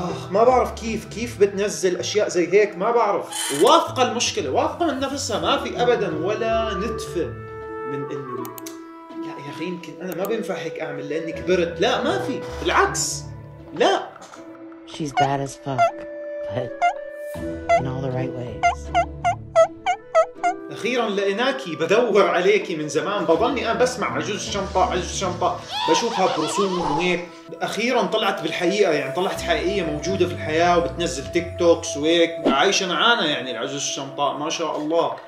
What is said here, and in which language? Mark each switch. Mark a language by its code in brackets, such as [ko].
[ar] ما بعرف كيف بتنزل أشياء زي هيك، ما بعرف. واثقة المشكلة، واثقة من نفسها، ما في أبداً ولا نتفة من إنه يا أخي يمكن أنا ما بينفع هيك أعمل لأني كبرت. لا ما في، بالعكس. لا [en] She's bad as fuck but in all the right ways. [ar] أخيراً لقيناكي، بدور عليكي من زمان، بضلني أنا بسمع عجوز الشنطة عجوز الشنطة، بشوفها برسوم وهيك. أخيراً طلعت بالحقيقة، يعني طلعت حقيقية موجودة في الحياة وبتنزل تيك توكس وهيك، عايشة معانا يعني العجوز الشنطة، ما شاء الله.